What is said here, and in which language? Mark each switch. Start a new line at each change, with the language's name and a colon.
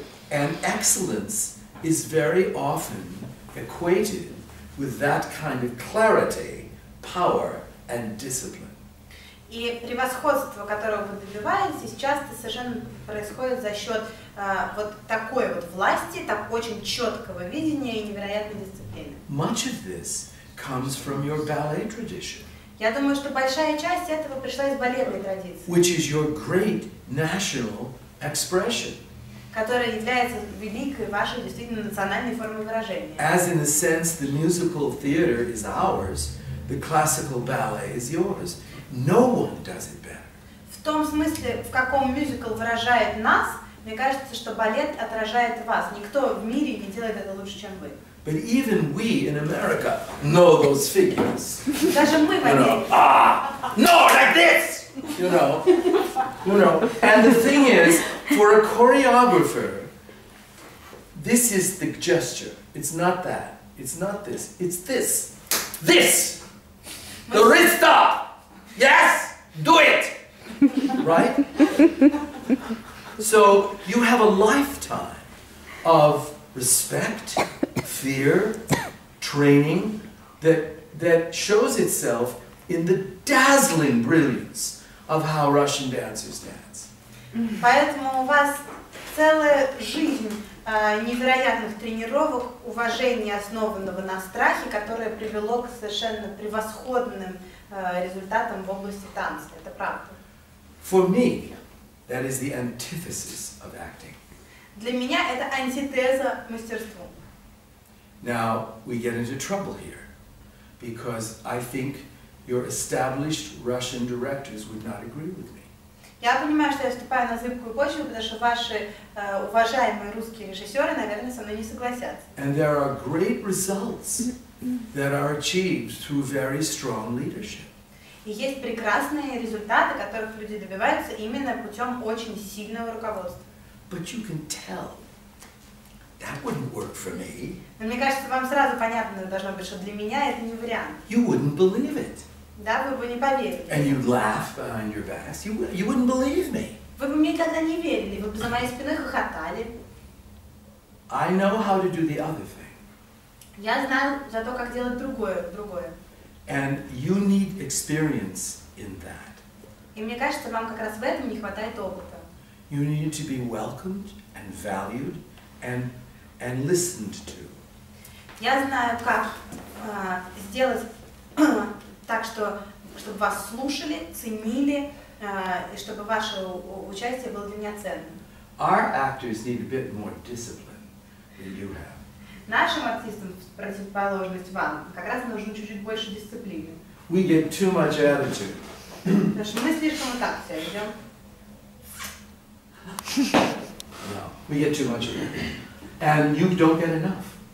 English: And excellence is very often equated with that kind of clarity, power, and discipline.
Russian: И превосходство, которого вы добиваетесь, часто совершенно происходит за счет вот такой вот власти, так очень четкого видения и невероятной дисциплины.
English: Much of this comes from your ballet tradition.
Russian: Я думаю, что большая часть этого пришла из балетной традиции.
English: Which is your great national expression.
Russian: Которая является великой вашей действительно национальной формой выражения.
English: As in a sense the musical theater is ours, the classical ballet is yours. No one does it better.
Russian: В том смысле, в каком мюзикл выражает нас, мне кажется, что балет отражает вас. Никто в мире не делает это лучше, чем вы.
English: But even we in America know those figures.
Russian: Даже мы в
English: Америке. No, like this. You know. And the thing is, for a choreographer, this is the gesture. It's not that. It's not this. It's this. This. The wrist stop. Yes, do it. Right? So you have a lifetime of respect, fear, training that shows itself in the dazzling brilliance of how Russian dancers dance.
Russian: Поэтому у вас целая жизнь невероятных тренировок, уважения, основанного на страхе, которое привело к совершенно превосходным результатом в области танца. Это правда.
English: For me, that is the antithesis of acting.
Russian: Для меня это антитеза мастерству.
English: Now, we get into trouble here. Because I think your established Russian directors would not agree with me.
Russian: Я понимаю, что я вступаю на зыбкую почву, потому что ваши уважаемые русские режиссеры, наверное, со мной не согласятся.
English: And there are great results that are achieved through very strong leadership.
Russian: И есть прекрасные результаты, которых люди добиваются именно путем очень сильного руководства.
English: But you can tell that wouldn't work for me.
Russian: Но мне кажется, вам сразу понятно должно быть, что для меня это не вариант.
English: You wouldn't believe it.
Russian: Да, вы бы не поверили.
English: And you'd laugh behind your back. You wouldn't believe me.
Russian: Вы бы мне тогда не верили, вы бы за моей спиной хохотали.
English: I know how to do the other thing.
Russian: Я знаю за то, как делать другое.
English: And you need experience in that.
Russian: И мне кажется, вам как раз в этом не хватает опыта.
English: You need to be welcomed and valued and listened to.
Russian: Я знаю, как сделать так, чтобы вас слушали, ценили, и чтобы ваше участие было для меня ценным.
English: Our actors need a bit more discipline than you have.
Russian: Нашим артистам, в противоположность вам, как раз нужно чуть-чуть больше дисциплины.
English: We get too much attitude.
Russian: Потому что мы слишком вот так все ведем.
English: No, we get too much of it. And you don't get enough.